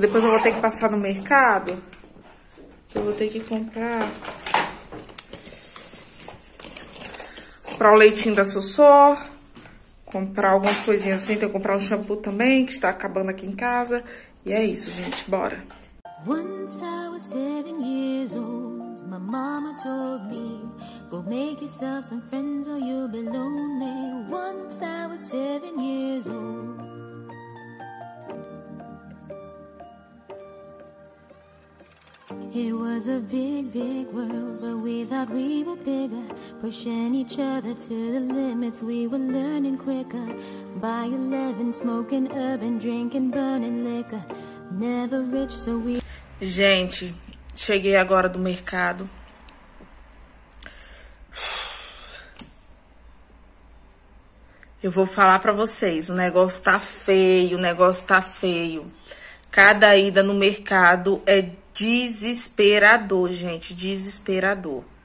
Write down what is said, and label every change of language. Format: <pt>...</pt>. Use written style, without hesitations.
<pt>Depois eu vou ter que passar no mercado. Eu vou ter que comprar o leitinho da Sossô, comprar algumas coisinhas assim. Tem que comprar um shampoo também, que está acabando aqui em casa. E é isso, gente. Bora.</pt> <en>Once I was 7 years old, my mama told me, go make yourself some friends or you'll be lonely. Once I was 7 years old. It was a big, big world, but we thought we were bigger. Pushing each other to the limits, we were learning quicker. By 11, smoking herb and drinking burning liquor. Never rich, so we.</en> <pt>Gente, cheguei agora do mercado. Eu vou falar para vocês, o negócio tá feio, o negócio tá feio. Cada ida no mercado é desesperador, gente, desesperador.</pt>